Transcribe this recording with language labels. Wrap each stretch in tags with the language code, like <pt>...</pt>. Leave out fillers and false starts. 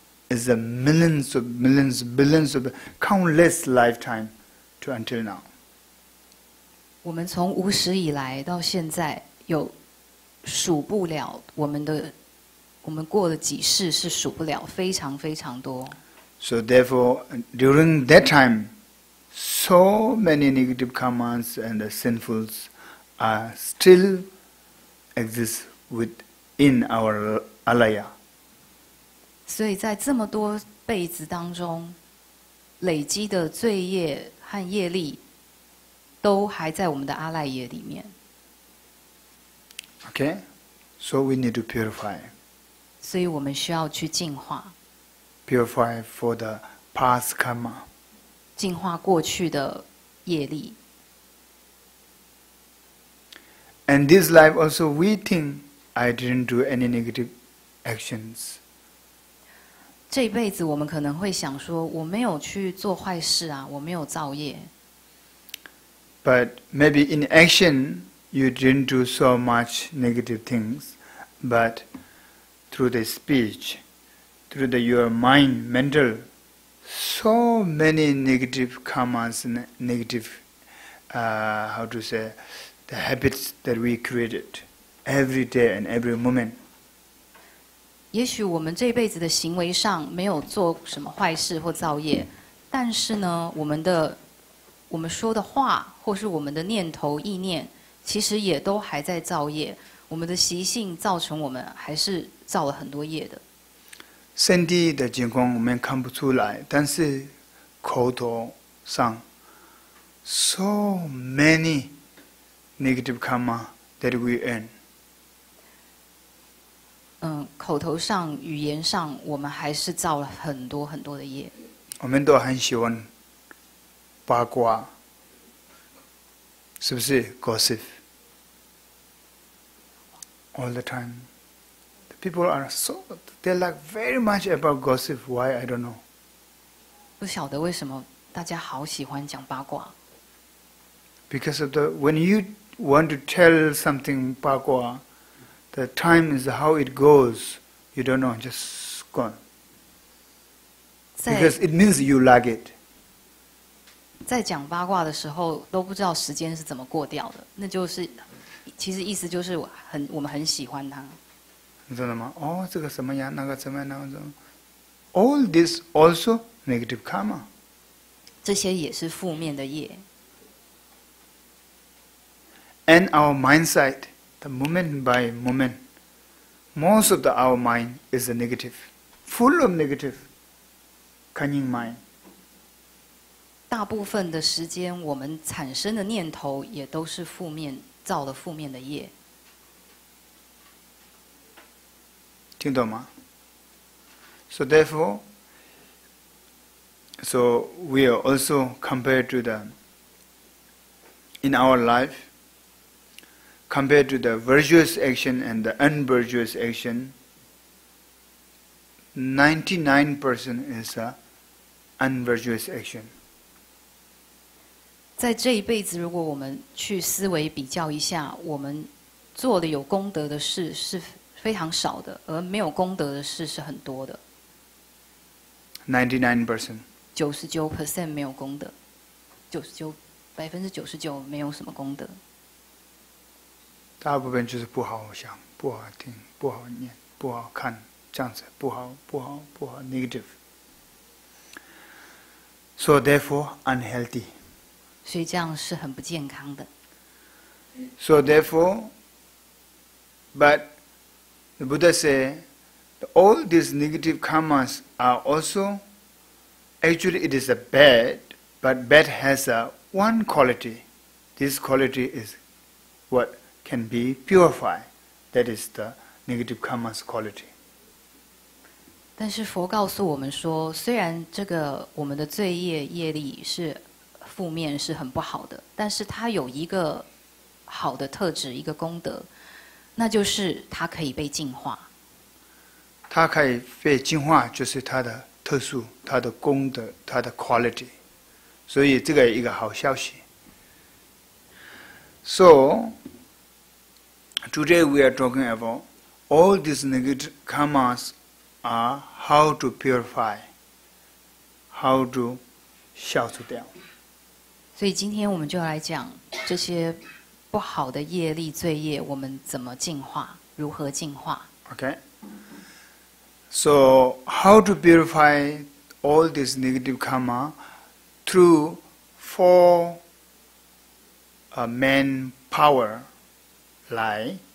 <en>Is a millions of millions, billions of countless lifetime to until now.</en> <zh>我们从无始以来到现在，有数不了我们的，我们过了几世是数不了，非常非常多。</zh> <en>So therefore, during that time, so many negative commands and sinfuls are still exist within our alaya.</en> <zh>所以在这么多辈子当中，累积的罪业和业力，都还在我们的阿赖耶里面。</zh> <en>Okay, so we need to purify.</en> <zh>所以我们需要去净化。</zh> <en>Purify for the past karma.</en> <zh>净化过去的业力。</zh> <en>And this life also, we think I didn't do any negative actions. 这辈子我们可能会想说，我没有去做坏事啊，我没有造业。 But maybe in action you didn't do so much negative things, but through the speech, through the, your mind, mental, so many negative karmas, negative, how to say, the habits that we created every day and every moment.</en> <zh>也许我们这辈子的行为上没有做什么坏事或造业，但是呢，我们说的话或是我们的念头意念，其实也都还在造业。我们的习性造成我们还是造了很多业的。身体的情况我们看不出来，但是口头上</zh> <en>so many negative karma that we earn。</en> <zh>口头上、语言上，我们还是造了很多很多的业。我们都很喜欢八卦，是不是 ？</zh> <en>Gossip all the time. The people are so they like very much about gossip. Why I don't know.</en> <zh>不晓得为什么大家好喜欢讲八卦。</zh> <en>Because of the when you want to tell something 八卦。 The time is how it goes. You don't know, just gone. Because it means you like it.</en> <zh>在讲八卦的时候，都不知道时间是怎么过掉的。那就是，其实意思就是我们很喜欢它。你知道吗？哦，这个什么呀？那个什么呀？那个什么 ？</zh> <en>All this also negative karma.</en> <zh>这些也是负面的业。</zh> <en>And our mindset. The moment by moment, most of our mind is a negative, full of negative, cunning mind.</en> <zh>大部分的时间，我们产生的念头也都是负面，造了负面的业。听懂吗</zh> <en>？So therefore, so we are also compared to the in our life. Compared to the virtuous action and the unvirtuous action, 99% is a unvirtuous action.</en> <zh>在这一辈子，如果我们去思维比较一下，我们做的有功德的事是非常少的，而没有功德的事是很多的。 99%. 99% 没有功德，99%没有什么功德。大部分就是不好想、不好听、不好念、不好看，这样子不好、不好、不好 ，negative。</zh> <en>So therefore, unhealthy。</en> <zh>所以这样是很不健康的。</zh> <en>So therefore, but the Buddha said, all these negative karmas are also actually it is a bad, but bad has a one quality. This quality is what. Can be purified. That is the negative karma's quality.</en> <zh>但是佛告诉我们说，虽然这个我们的罪业业力是负面，是很不好的，但是它有一个好的特质，一个功德，那就是它可以被净化。它可以被净化，就是它的特殊，它的功德，它的 quality. 所以这个一个好消息。</zh> <en>So. Today we are talking about all these negative karmas are how to purify, how to</en> <zh>消除掉。所以今天我们就来讲这些不好的业力罪业，我们怎么净化，如何净化。</zh> <en>Okay. So how to purify all these negative karma through four main power like.</en>